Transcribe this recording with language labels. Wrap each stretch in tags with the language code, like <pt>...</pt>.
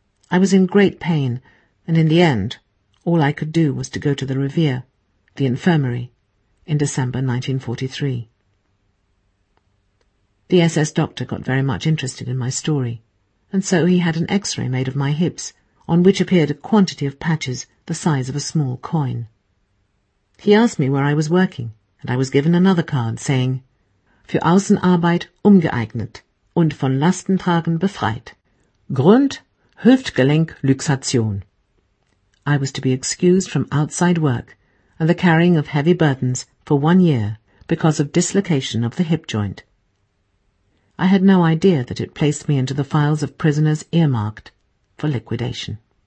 <en>I was in great pain, and in the end, all I could do was to go to the Revere, the infirmary, in December 1943. The SS doctor got very much interested in my story, and so he had an X-ray made of my hips, on which appeared a quantity of patches the size of a small coin. He asked me where I was working, and I was given another card saying,</en> <de>Für Außenarbeit umgeeignet und von Lastentragen befreit. Grund, Hüftgelenk Luxation.</de> <en>I was to be excused from outside work and the carrying of heavy burdens for 1 year because of dislocation of the hip joint. I had no idea that it placed me into the files of prisoners earmarked for liquidation.</en>